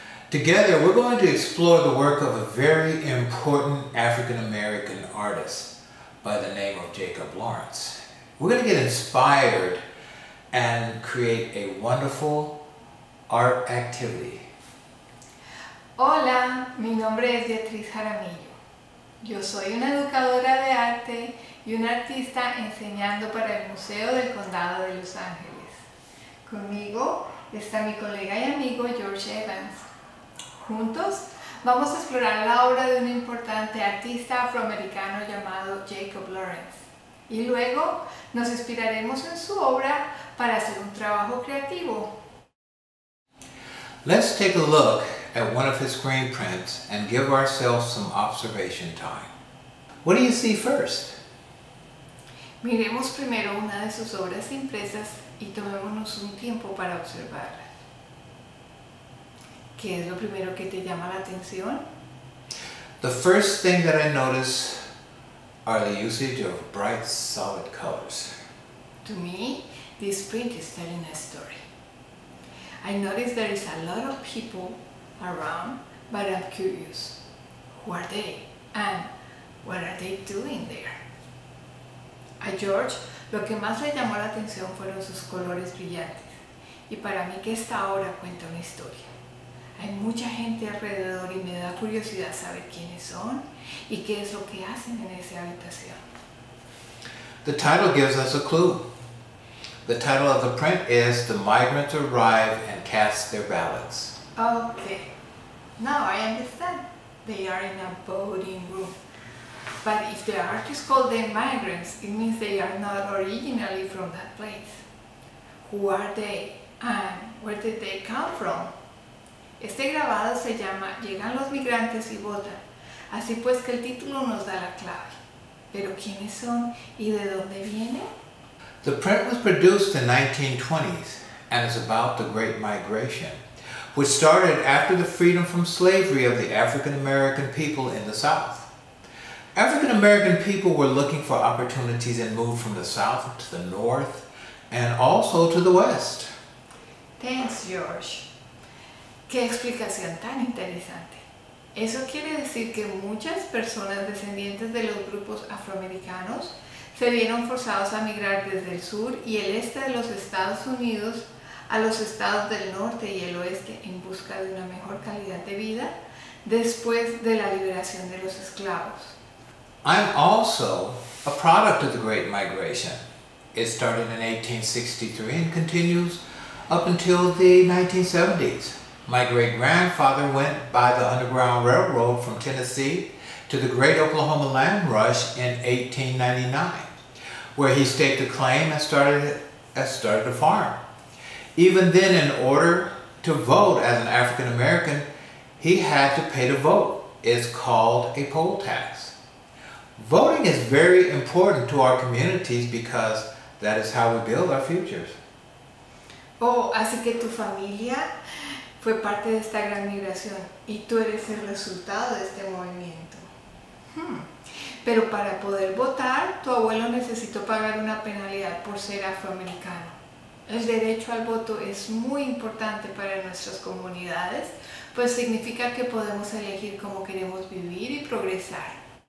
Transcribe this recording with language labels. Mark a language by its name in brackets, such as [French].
[English] Together, we're going to explore the work of a very important African-American artist by the name of Jacob Lawrence. We're going to get inspired and create a wonderful art activity. [Spanish] Hola, mi nombre es Beatriz Jaramillo. Yo soy una educadora de arte y una artista enseñando para el Museo del Condado de Los Ángeles. Conmigo está mi colega y amigo George Evans. Juntos vamos a explorar la obra de un importante artista afroamericano llamado Jacob Lawrence. Y luego nos inspiraremos en su obra para hacer un trabajo creativo. [English] Let's take a look at one of his screen prints and give ourselves some observation time. What do you see first? [Spanish] Miremos primero una de sus obras impresas y tomémonos un tiempo para observarla. ¿Qué es lo primero que te llama la atención? [English] The first thing that I notice are the usage of bright, solid colors. To me, this print is telling a story. I notice there is a lot of people around, but I'm curious, who are they and what are they doing there? [Spanish] A George, lo que más le llamó la atención fueron sus colores brillantes, y para mí que esta obra cuenta una historia. Hay mucha gente alrededor y me da curiosidad saber quiénes son y qué es lo que hacen en esa habitación. [English] The title gives us a clue. The title of the print is The Migrants Arrive and Cast Their Ballots. Okay, now I understand. They are in a voting room. But if the artist called them migrants, it means they are not originally from that place. Who are they and where did they come from? [Spanish] Este grabado se llama Llegan los migrantes y votan. Así pues que el título nos da la clave. Pero ¿quiénes son y de dónde vienen? [English] The print was produced in the 1920s and is about the Great Migration, which started after the freedom from slavery of the African-American people in the South. African-American people were looking for opportunities and moved from the South to the North and also to the West. Thanks, George. [Spanish] Qué explicación tan interesante. Eso quiere decir que muchas personas descendientes de los grupos afroamericanos se vieron forzados a migrar desde el sur y el este de los Estados Unidos a los estados del norte y el oeste en busca de una mejor calidad de vida después de la liberación de los esclavos. [English] I'm also a product of the Great Migration. It started in 1863 and continues up until the 1970s. My great-grandfather went by the Underground Railroad from Tennessee to the Great Oklahoma Land Rush in 1899, where he staked a claim and started a farm. Even then, in order to vote as an African American, he had to pay to vote. It's called a poll tax. Voting is very important to our communities because that is how we build our futures. [Spanish] Oh, así que tu familia fue parte de esta gran migración y tú eres el resultado de este movimiento. Hmm. Pero para poder votar, tu abuelo necesitó pagar una penalidad por ser afroamericano. El derecho al voto es muy importante para nuestras comunidades, pues significa que podemos elegir cómo queremos vivir y progresar.